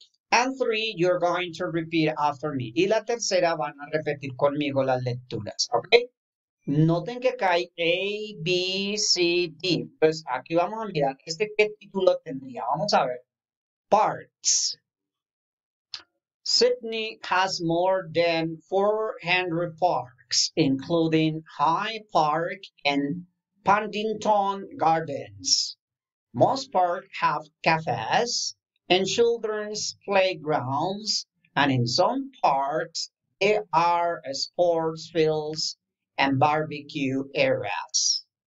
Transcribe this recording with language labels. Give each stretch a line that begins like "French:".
English: And three, you're going to repeat after me.
Spanish: Y la tercera van a repetir conmigo las lecturas, ¿ok? Noten que acá hay A, B, C, D. Pues aquí vamos a mirar este qué título tendría. Vamos a ver. Parts.
English: Sydney has more than 400 parks, including High Park and Paddington Gardens. Most parks have cafes and children's playgrounds, and in some parks, there are sports fields and barbecue areas.